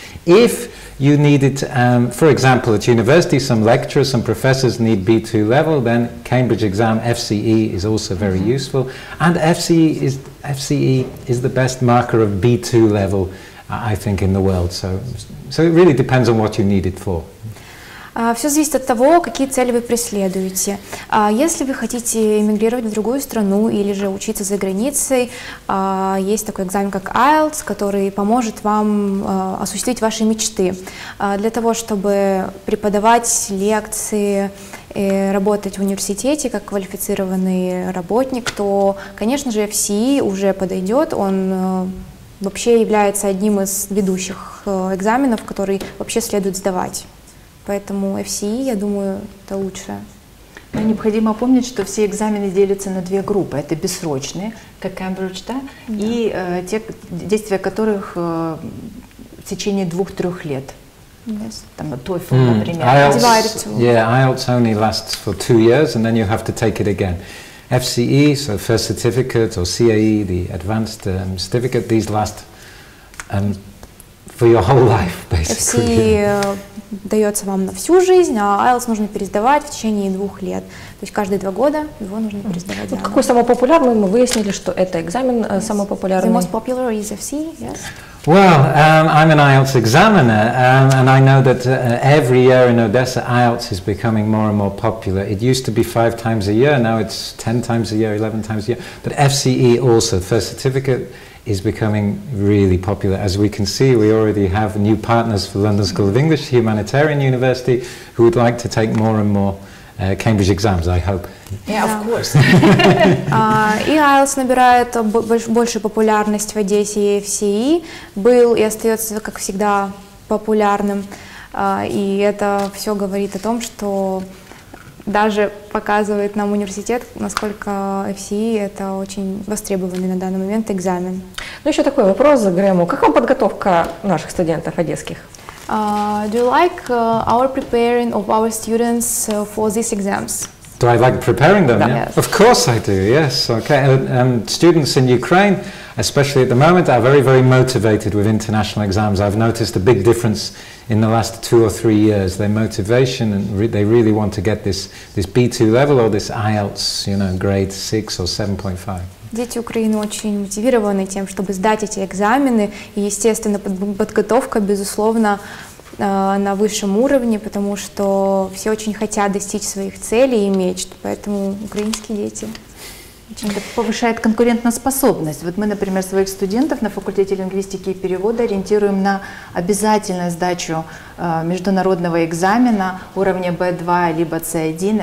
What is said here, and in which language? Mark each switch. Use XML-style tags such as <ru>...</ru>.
<en>If you need it, for example, at university, some lecturers, some professors need B2 level, then Cambridge exam, FCE, is also very useful. And FCE is the best marker of B2 level, I think, in the world. So it really depends on what you need it for.</en> <ru>Все зависит от того, какие цели вы преследуете. Если вы хотите эмигрировать в другую страну или же учиться за границей, есть такой экзамен, как IELTS, который поможет вам осуществить ваши мечты. Для того, чтобы преподавать лекции, работать в университете как квалифицированный работник, то, конечно же, FCE уже подойдет, он вообще является одним из ведущих экзаменов, который вообще следует сдавать. Поэтому FCE, я думаю, это лучше. Но необходимо помнить, что все экзамены делятся на две группы. Это бессрочные, как Cambridge, да? И те действия которых в течение 2-3 лет. Там TOEFL, например.</ru> <en>IELTS only lasts for 2 years, and then you have to take it again. FCE, so first certificate, or CAE, the advanced certificate, these last for your whole life, basically.</en> <ru>FCE дается вам на всю жизнь, а IELTS нужно пересдавать в течение 2 лет. То есть каждые 2 года его нужно пересдавать. Вот какой самый популярный? Мы выяснили, что это экзамен самый популярный.</ru> <en>The most popular is FCE, yes. Well, I'm an IELTS examiner, and I know that every year in Odessa, IELTS is becoming more and more popular. It used to be 5 times a year, now it's 10 times a year, 11 times a year. But FCE also, first certificate, is becoming really popular. As we can see, we already have new partners for London School of English, Humanitarian University, who would like to take more and more Cambridge exams, I hope. Yeah, of course.</en> <ru>И IELTS набирает больше популярность в Одессе, и FCE был и остается, как всегда, популярным. И это все говорит о том, что даже показывает нам университет, насколько FCE – это очень востребованный на данный момент экзамен. Ну, еще такой вопрос за Грэму. Какова подготовка наших студентов одесских?</ru> <en>Do you like our preparing of our students for these exams? Do I like preparing them? Yeah. Yes. Of course I do, yes. Okay. And students in Ukraine, especially at the moment, are very, very motivated with international exams. I've noticed a big difference in the last 2 or 3 years. Their motivation, and they really want to get this B2 level or this IELTS, you know, grade 6 or 7.5.</en> <ru>Дети Украины очень мотивированы тем, чтобы сдать эти экзамены. И, естественно, подготовка, безусловно, на высшем уровне, потому что все очень хотят достичь своих целей и мечт. Поэтому украинские дети очень... Это повышает конкурентоспособность. Вот мы, например, своих студентов на факультете лингвистики и перевода ориентируем на обязательную сдачу международного экзамена уровня B2 либо C1.</ru>